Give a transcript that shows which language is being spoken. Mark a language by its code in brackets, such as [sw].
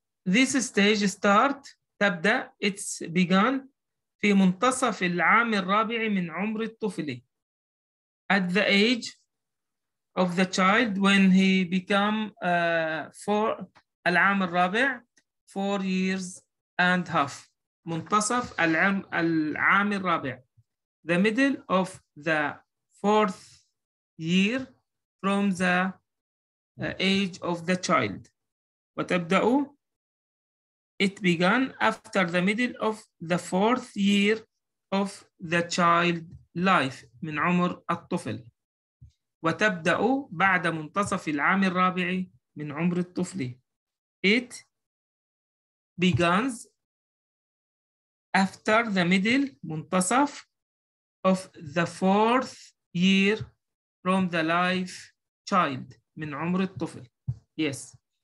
[en] This stage start [ar] تبدأ [en] it's begun [ar] في منتصف العام الرابع من عمر الطفل [en] at the age of the child when he become for [ar] العام الرابع, [en] 4 years and a half. [ar] منتصف العام الرابع. [en] The middle of the fourth year from the age of the child. [ar] وتبدأ. [en] It began after the middle of the fourth year of the child life. [ar] من عمر الطفل. وتبدأ بعد منتصف العام الرابع من عمر الطفل. [en] It begins after the middle, منتصف, of the fourth year from the life child, [ar] من عمر الطفل. [en] Yes.